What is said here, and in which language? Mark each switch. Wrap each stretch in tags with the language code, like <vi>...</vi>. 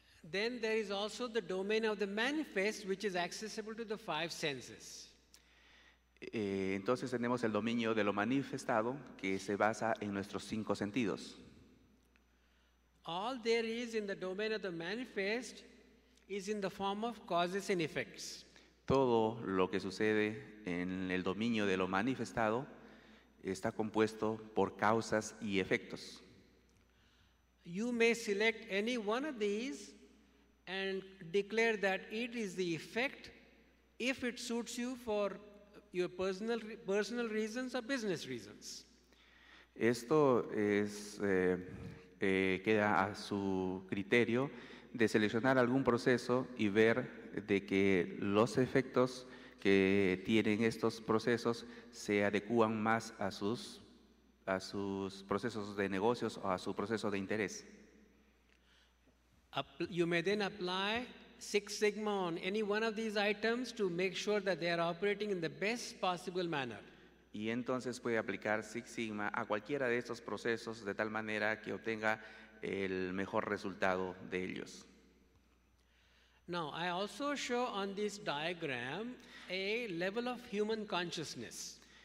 <en>Then there is also the domain of the manifest, which is accessible to the 5 senses.</en> <es>Entonces tenemos el dominio de lo manifestado, que se basa en nuestros 5 sentidos.</es> <en>All there is in the domain of the manifest is in the form of causes and effects.</en> <es>Todo lo que sucede en el dominio de lo manifestado está compuesto por causas y efectos.</es> <en>You may select any one of these and declare that it is the effect if it suits you for your personal reasons or business reasons.</en> <es>Esto es queda a su criterio de seleccionar algún proceso y ver de que los efectos que tienen estos procesos se adecúan más a sus procesos de negocios o a su proceso de interés.</es> <en>You may then apply Six Sigma on any one of these items to make sure that they are operating in the best possible manner.</en> <es>Y entonces puede aplicar Six Sigma a cualquiera de estos procesos de tal manera que obtenga el mejor resultado de ellos.</es> <en>Now, I also show on this diagram a level of human consciousness.</en>